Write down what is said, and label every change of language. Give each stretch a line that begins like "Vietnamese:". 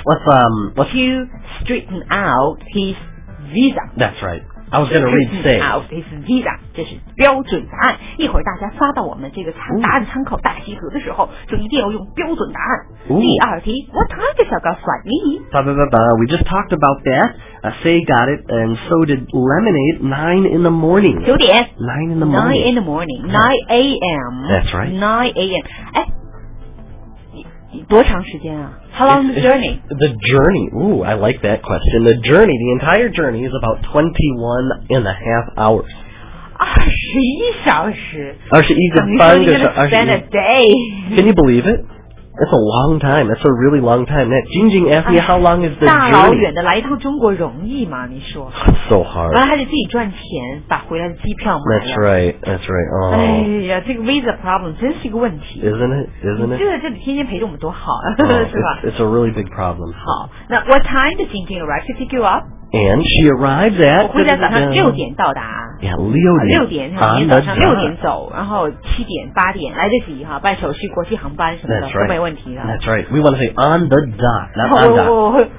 English: to straighten out his visa. That's right. I was going to read say. Straighten out his visa.
Chinese: 这是标准答案。一会儿大家发到我们这个答案参考大集合的时候，就一定要用标准答案。
English: 第二题 ，What time did 小高 fly? We just talked about that. Say got it, and so did Lemonade, 9 in the morning.
Chinese: 九点
English: ?9 in the morning. 9 in the morning, 9 a.m. That's right. 9 a.m.
Chinese: 哎，多长时间啊
English: ?How long the journey? The journey, ooh, I like that question. The journey, the entire journey is about 21 and a half hours. 21 a day. Can you believe it? That's a long time. That's a really long time. That Jing Jing asked me how long is the journey.
Chinese: 大老远的来一趟中国容易吗？你说。
English: So hard.
Chinese: 然后还得自己赚钱，把回来的机票买了。
English: That's right. Oh.
Chinese: 哎呀，这个
English: visa problem
Chinese: 真是一个问题。
English: Isn't it?
Chinese: 就在这里天天陪着我们多好啊，是吧
English: ？It's a really big problem.
Chinese: 好，那
English: what time did Jing Jing arrive to pick you up? And she arrived at.
Chinese: 我回家早上六点到达。 Yeah, 六点今天早上六点走，然后七点八点来得及哈，办手续，国际航班什么的、
English: right.
Chinese: 都没问题的。
English: That's right. We want to say on the dot, not on the dot.